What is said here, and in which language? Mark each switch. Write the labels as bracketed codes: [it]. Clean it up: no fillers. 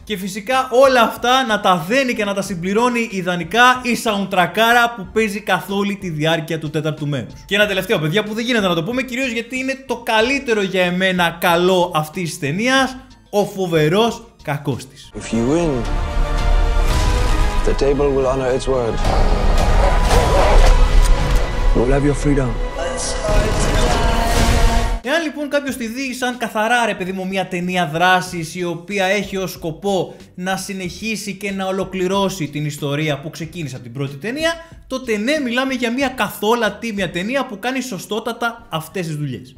[el] Και φυσικά όλα αυτά να τα δένει και να τα συμπληρώνει ιδανικά η soundtrackάρα που παίζει καθ' όλη τη διάρκεια του τέταρτου μέρους. Και ένα τελευταίο, παιδιά, που δεν γίνεται να το πούμε, κυρίως γιατί είναι το καλύτερο για εμένα καλό αυτής της ταινίας, ο φοβερός κακός της. [en] If you win, the table will honor its word. You will have your freedom. [el] Εάν λοιπόν κάποιος τη δει σαν καθαρά, ρε παιδί μου, μια ταινία δράσης η οποία έχει ως σκοπό να συνεχίσει και να ολοκληρώσει την ιστορία που ξεκίνησε από την πρώτη ταινία, τότε ναι, μιλάμε για μια καθόλου τίμια ταινία που κάνει σωστότατα αυτές τις δουλειές.